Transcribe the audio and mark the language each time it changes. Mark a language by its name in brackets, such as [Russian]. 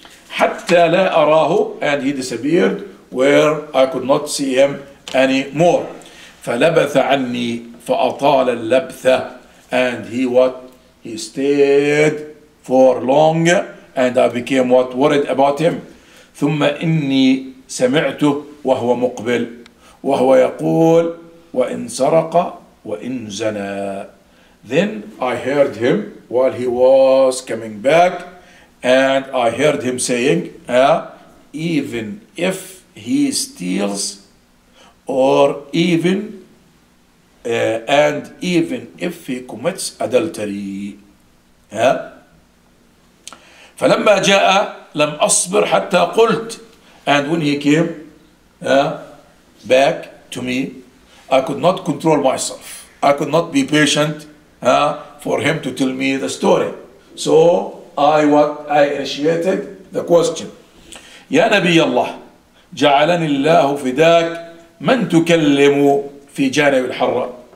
[Arabic] حتى لا أراه, [English] and he disappeared where I could not see him anymore. [Arabic] فلبث عني فأطال اللبثة. [English] And he what? He stayed for long, and I became what? Worried about him. [Arabic] ثم إني سمعته وهو مقبل وهو يقول وإن سرق وإن زنى. [English] Then I heard him while he was coming back, and I heard him saying, even if he steals, or even and even if he commits adultery. [Arabic] فلما جاء لم أصبر حتى قلت. [English] And when he came back to me, I could not control myself. I could not be patient for him to tell me the story. So I initiated the question. [Arabic] يا نبي الله جعلني الله فداك من تكلم في جانب الحرة.